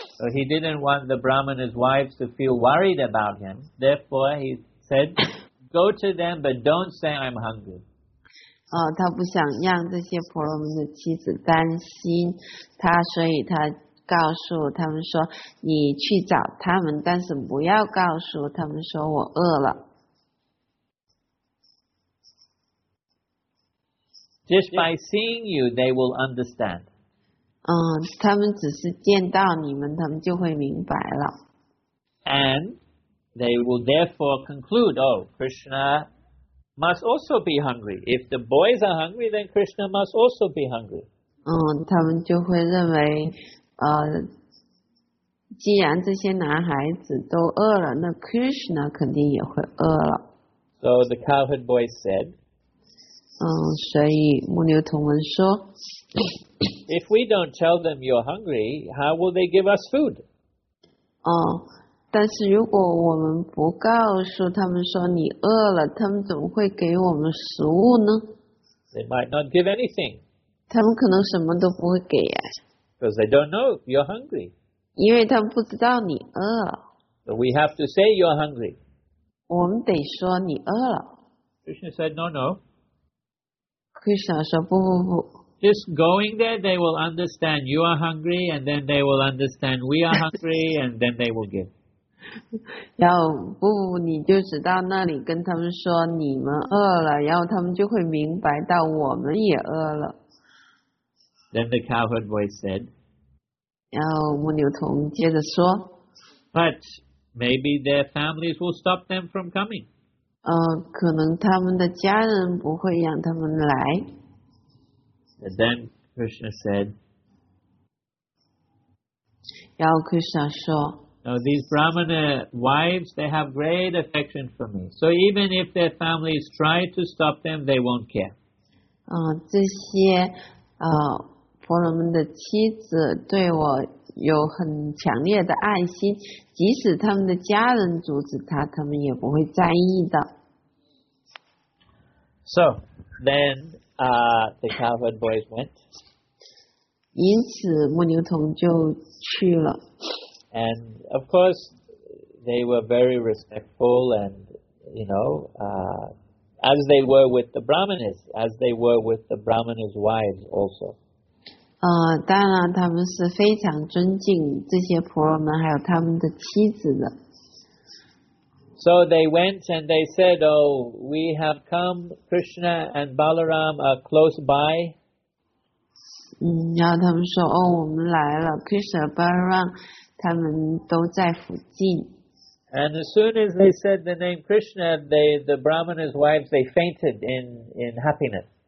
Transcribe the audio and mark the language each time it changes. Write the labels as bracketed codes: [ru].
[en] So he didn't want the brahmana's wives to feel worried about him. Therefore, he said. Go to them, but don't say I'm hungry. [zh] 他不想让这些婆罗门的妻子担心他，所以他告诉他们说，你去找他们，但是不要告诉他们说我饿了。 [en] Just by seeing you, they will understand. [zh] 他们只是见到你们，他们就会明白了。 [en] And they will therefore conclude, oh, Krishna must also be hungry. If the boys are hungry, then Krishna must also be hungry. [zh] 他们就会认为，既然这些男孩子都饿了，那 Krishna 肯定也会饿了。 [en] So the cowherd boy said, [zh] 所以牧牛童们说 [en] If we don't tell them you're hungry, how will they give us food? [zh] 但是如果我们不告诉他们说你饿了，他们怎么会给我们食物呢？ [en] They might not give anything. [zh] 他们可能什么都不会给呀。 [en] Because they don't know you're hungry. [zh] 因为他们不知道你饿了。 [en] But we have to say you're hungry. [zh] 我们得说你饿了。 [en] Krishna said, no, no. [zh] Krishna 说不不不。 [en] Just going there, they will understand you are hungry, and then they will understand we are hungry, and then they will give. [zh] 然后不不不，你就只到那里跟他们说你们饿了，然后他们就会明白到我们也饿了。 [en] Then the cowherd boy said. [zh] 然后牧牛童接着说。 [en] But,Maybe their families will stop them from coming. [zh] 可能他们的家人不会让他们来。 [en] And then Krishna said, [zh] 然后 Krishna 说 [en] Now these Brahmana wives, they have great affection for me. So even if their families try to stop them, they won't care. [zh] 这些婆罗门的妻子对我有很强烈的爱心，即使他们的家人阻止他，他们也不会在意的。 [en] So, then, the cowherd boys went. [zh] 因此，牧牛童就去了。 [en] And of course, they were very respectful, and you know, as they were with the brahmanas, as they were with the brahmanas' wives also. [zh] 当然他们是非常尊敬这些婆罗门还有他们的妻子的。 [en] So they went and they said, oh, we have come, Krishna and Balaram are close by. [zh] 然后他们说，哦，我们来了，Krishna and Balaram，他们都在附近。 [en] And as soon as they said the name Krishna, the Brahmana's wives, they fainted in happiness.